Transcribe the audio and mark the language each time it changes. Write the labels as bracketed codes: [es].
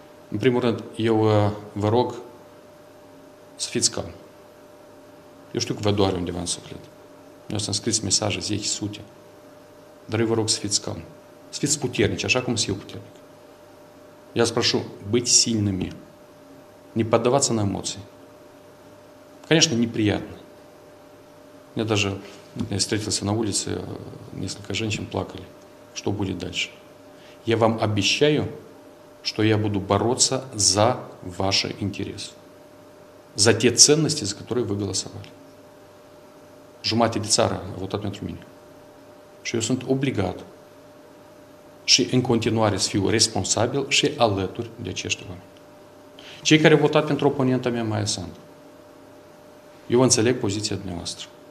[ro] În primul rând, eu vă rog să fiți calm. Eu știu că vă doare undeva în suflet. Eu sunt scris mesaje, 10 sute. Dar eu vă rog să fiți calm. Să fiți puternici, așa cum sunt eu puternic. [ru] Я спрошу, быть сильными. Не поддаваться на эмоции. Конечно, неприятно. Я даже встретился на улице, несколько женщин плакали. Что будет дальше? Я вам обещаю, что я буду бороться за ваши интересы. За те ценности, за которые вы голосовали. [ro] Jumate de țară a votat pentru mine. Și eu sunt obligat și în continuare să fiu responsabil și alături de acești oameni. Cei care au votat pentru oponenta mea, Maia Sandu, eu vă înțeleg poziția dumneavoastră.